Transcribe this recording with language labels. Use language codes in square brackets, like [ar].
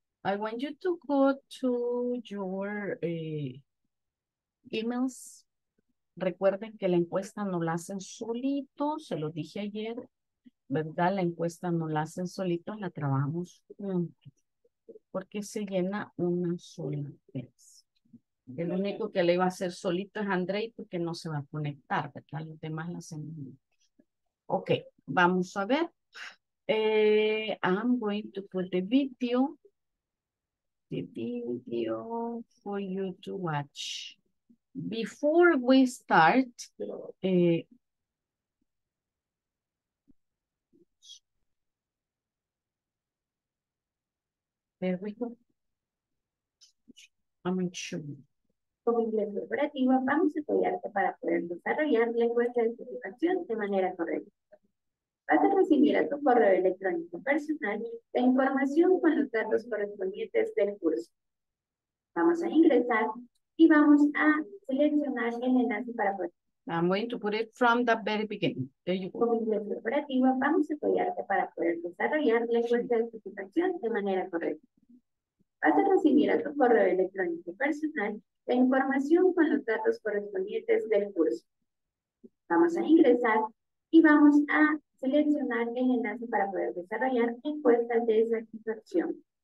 [en] I want you to go to your emails. [es] Recuerden que la encuesta no la hacen solito, se lo dije ayer, ¿verdad? La encuesta no la hacen solito, la trabajamos juntos, porque se llena una sola vez. El único que le iba a hacer solito es André, porque no se va a conectar, ¿verdad? Los demás la hacen juntos. Ok, vamos a ver. [en] I'm going to put the video for you to watch. Before we start, there we go. I'm going to show you. [es] Como inglés corporativo, vamos a apoyarte para poder desarrollar lenguaje de certificación de manera correcta. Vas a recibir a tu correo electrónico personal la información con los datos correspondientes del curso. Vamos a ingresar y vamos a seleccionar el enlace para poder. [en] I'm going to put it from the very beginning. There you go. [es] Como inglés corporativo, vamos a apoyarte para poder desarrollar lenguaje de certificación de manera correcta. Vas a recibir a tu correo electrónico personal la información con los datos correspondientes del curso. Vamos a ingresar y vamos a seleccionar el enlace para poder desarrollar encuestas de satisfacción.